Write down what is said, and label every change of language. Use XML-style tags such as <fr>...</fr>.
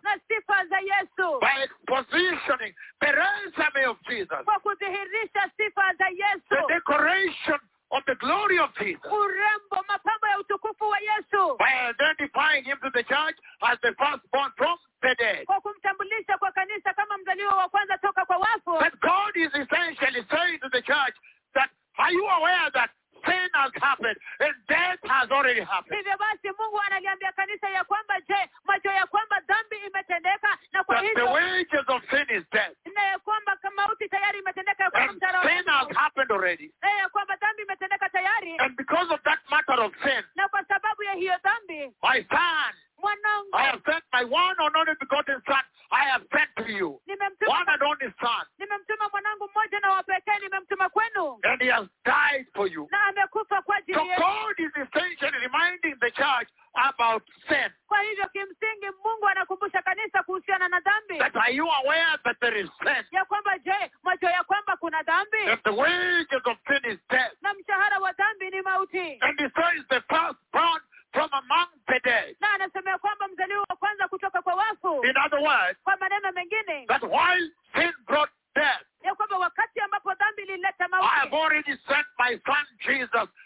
<sw>Na sifa za Yesu.</sw> <en>By positioning the resume of Jesus.</en> <sw>Kwa kudhihirisha sifa za Yesu.</sw> <en>The decoration of the glory of Jesus.</en> <sw>Urembo mapambo ya utukufu wa Yesu.</sw> <en>By identifying him to the church as the firstborn from the dead.</en> <sw>Kwa kumtambulisha kwa kanisa kama mzaliwa wa kwanza toka kwa wafu.</sw> <en>But God is essentially saying to the church that are you aware that sin has happened and death has already happened.</en> <sw>Hivyo basi Mungu analiambia kanisa ya kwamba je, macho ya kwamba dhambi imetendeka na kwa hivyo.</sw> <en>The wages of sin is death.</en> <sw>Na ya kwamba mauti tayari imetendeka kwa mtaro.</sw> <en>Sin has happened already.</en> <sw>Na ya kwamba dhambi imetendeka tayari.</sw> <en>And because of that matter of sin.</en> <sw>Na kwa sababu ya hiyo dhambi.</sw> <en>My son.</en> <sw>Mwanangu.</sw> <en>I have sent my one and only begotten son. I have sent to you. One and only son.</en> <sw>Nimemtuma mwanangu mmoja na wa pekee nimemtuma kwenu.</sw> <en>And he has died for you.</en> <sw>Na amekufa kwa ajili yenu.</sw> <en>So God is essentially reminding the church about sin.</en> <sw>Kwa hivyo kimsingi Mungu anakumbusha kanisa kuhusiana na dhambi.</sw> <en>That are you aware that there is sin?</en> <sw>Ya kwamba je, mwacho ya kwamba kuna dhambi?</sw> <en>That the wages of sin is death.</en> <sw>Na mshahara wa dhambi ni mauti.</sw> <en>And he says the firstborn from among the dead.</en> <sw>Na anasema ya kwamba mzaliwa wa kwanza kutoka kwa wafu.</sw> <en>In other words,</en> <sw>kwa maneno mengine,</sw> <en>that while sin brought death,</en> <sw>ya kwamba wakati ambapo dhambi ilileta mauti,</sw> <en>I have already sent my son Jesus.</en>